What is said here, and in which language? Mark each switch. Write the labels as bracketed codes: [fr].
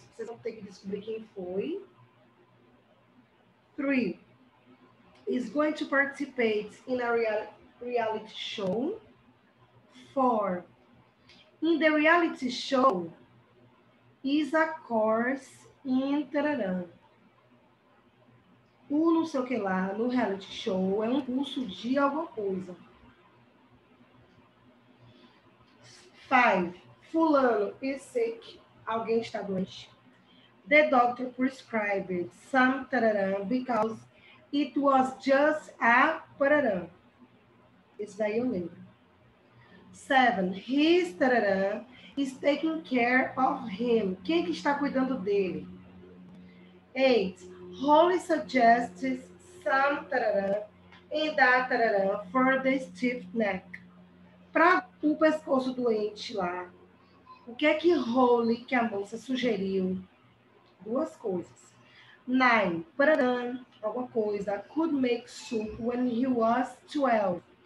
[pt] Vocês vão ter que descobrir quem foi. Three. [en] Is going to participate in a reality show. Four. In the reality show, is a course in tararam. [pt] O não sei o que lá no reality show é um curso de alguma coisa. [en] Five. Fulano is sick. [pt] Alguém está doente. [en] The doctor prescribed some tararam because it was just a tararam. [pt] Isso daí eu lembro. [en] Seven. His tararam is taking care of him. [pt] Quem que está cuidando dele? Eight. [en] Holly suggests some tararam and that tararam for the stiff neck. [pt] Para o pescoço doente lá, o que é que Holly, que a moça, sugeriu? Duas coisas. [en] Nine, tararam, [pt] alguma coisa, [en] could make soup when he was 12.